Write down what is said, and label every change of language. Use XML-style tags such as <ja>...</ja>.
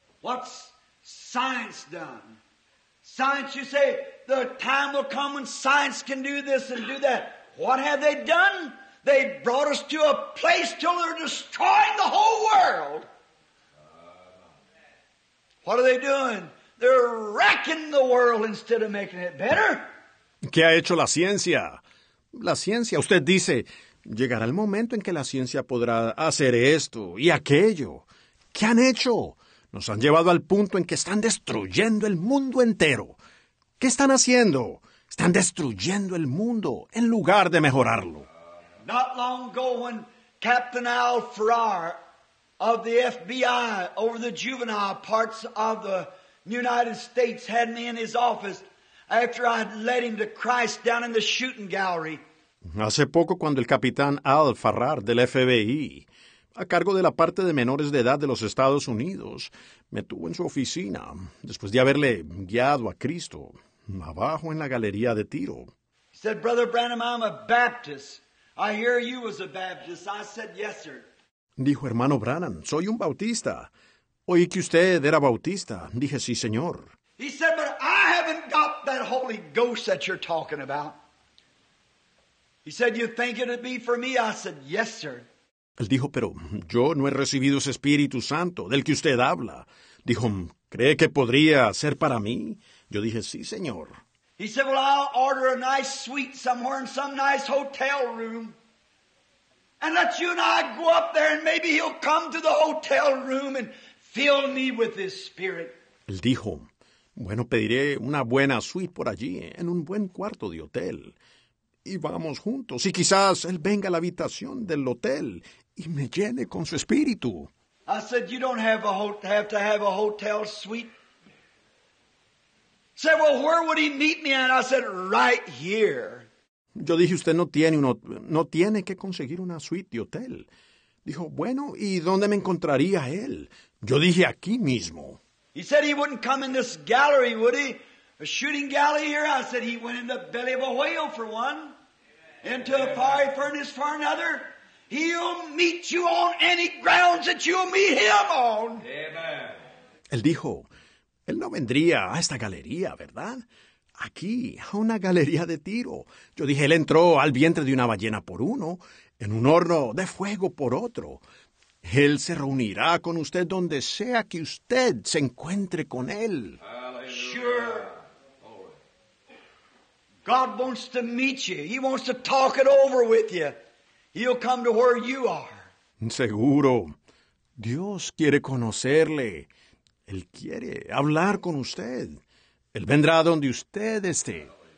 <en>What's science done? Science, you say, the time will come when science can do this and do that. What have they done? They brought us to a place till they're destroying the whole world. What are they doing? They're wrecking the world instead of making it better.</en> <es>¿Qué ha hecho la ciencia? La ciencia, usted dice, llegará el momento en que la ciencia podrá hacer esto y aquello. ¿Qué han hecho? Nos han llevado al punto en que están destruyendo el mundo entero. ¿Qué están haciendo? Están destruyendo el mundo en lugar de mejorarlo.</es> <en>Not long ago when Captain Al Farrar of the FBI over the juvenile parts of the United States had me in his office after I had led him to Christ down in the shooting gallery.</en> <es>Hace poco cuando el Capitán Al Farrar del FBI, a cargo de la parte de menores de edad de los Estados Unidos, me tuvo en su oficina, después de haberle guiado a Cristo, abajo en la galería de tiro.</es> <en>He said, Brother Branham, I'm a Baptist. I hear you was a Baptist. I said, yes, sir.</en> <es>Dijo, hermano Branham, soy un bautista. Oí que usted era bautista. Dije, sí, señor.</es> <en>He said, but I haven't got that Holy Ghost that you're talking about. He said, you think it'd be for me? I said, yes, sir.</en> <es>Él dijo, pero yo no he recibido ese Espíritu Santo del que usted habla. Dijo, ¿cree que podría ser para mí? Yo dije, sí, señor.</es> <en>He said, well, I'll order a nice suite somewhere in some nice hotel room. And let you and I go up there and maybe he'll come to the hotel room and fill me with his spirit.</en> <es>Él dijo, bueno, pediré una buena suite por allí en un buen cuarto de hotel. Y vamos juntos. Y quizás él venga a la habitación del hotel y me llene con su espíritu.</es> <en>I said, you don't have to have a hotel suite. Said, well, where would he meet me? And I said, right here.</en> <es>Yo dije, usted no tiene que conseguir una suite de hotel. Dijo, bueno, ¿y dónde me encontraría él? Yo dije, aquí mismo.</es> <en>He said he wouldn't come in this gallery, would he? A shooting gallery here? I said, he went in the belly of a whale for one. Into a fiery furnace for another. He'll meet you on any grounds that you'll meet him on.</en> <es>Él dijo, él no vendría a esta galería, ¿verdad? Aquí, a una galería de tiro. Yo dije, él entró al vientre de una ballena por uno, en un horno de fuego por otro. Él se reunirá con usted donde sea que usted se encuentre con él.</es> <en>Sure. God wants to meet you. He wants to talk it over with you. He'll come to where you are.</en> <es>Seguro. Dios quiere conocerle. Él quiere hablar con usted. Él vendrá donde usted esté.</es>